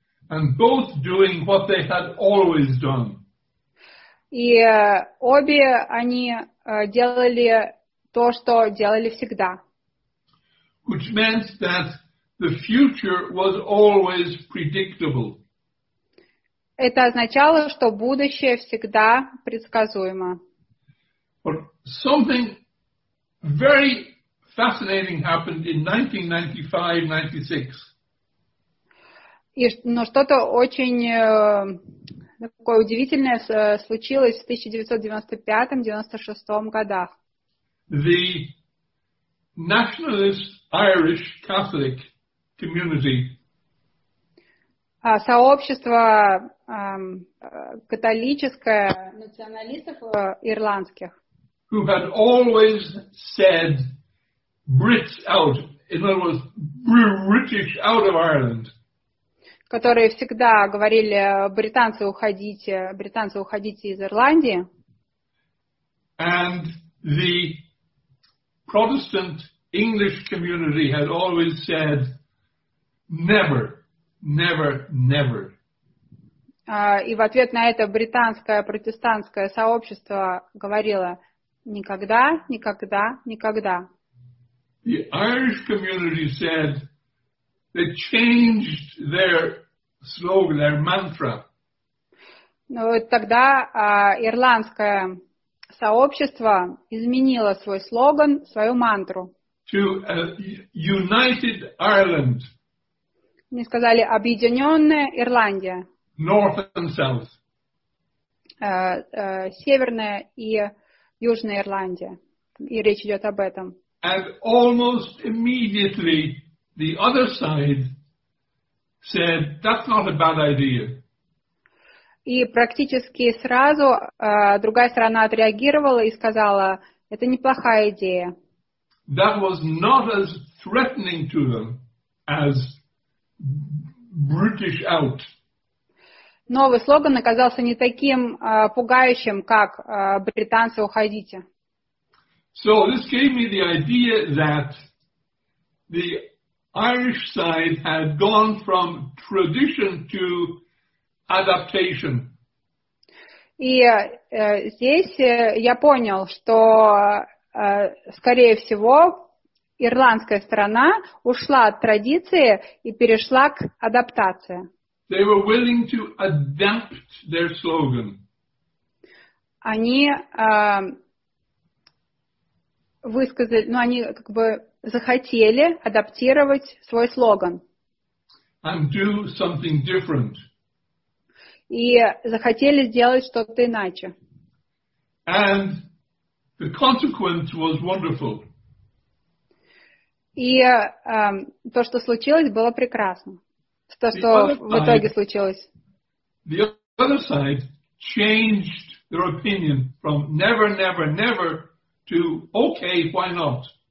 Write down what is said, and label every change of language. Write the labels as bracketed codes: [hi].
[en] And both doing what they had always done. [ru] И обе они делали то, что делали всегда. [en] Which meant that the future was always predictable. [ru] Это означало, что будущее всегда предсказуемо. [en] But something very fascinating happened in 1995-96. [ru] Но что-то очень такое удивительное случилось в 1995-96 годах. [en] The nationalist Irish Catholic community. [ru] Сообщество католическое националистов ирландских. [en] Who had always said Brits out, in other words, British out of Ireland. [ru] Которые всегда говорили: британцы, уходите из Ирландии. [en] And the Protestant English community had always said never. Never, never. [ru] И в ответ на это британское протестантское сообщество говорило: никогда, никогда, никогда. [en] The Irish community said they changed their slogan, their mantra. [ru] Ну, тогда ирландское сообщество изменило свой слоган, свою мантру. [en] To a United Ireland. [ru] Мне сказали: объединенная Ирландия. [en] North and South. [ru] Северная и Южная Ирландия. И речь идет об этом. [en] And almost immediately the other side said, that's not a bad idea. [ru] И практически сразу другая сторона отреагировала и сказала: это неплохая идея. [en] That was not as threatening to them as British out. [ru] Новый слоган оказался не таким пугающим, как британцы, уходите. [en] So this gave me the idea that the Irish side had gone from tradition to adaptation. [ru] И здесь я понял, что скорее всего ирландская сторона ушла от традиции и перешла к адаптации. [en] They were willing to adapt their slogan. [ru] Они высказали, ну, они как бы захотели адаптировать свой слоган. [en] And do something different. [ru] И захотели сделать что-то иначе. [en] And the consequence was wonderful. [ru] И то, что случилось, было прекрасно. То, что в итоге случилось. [en] The other side changed their opinion from never, never, never to okay, why not?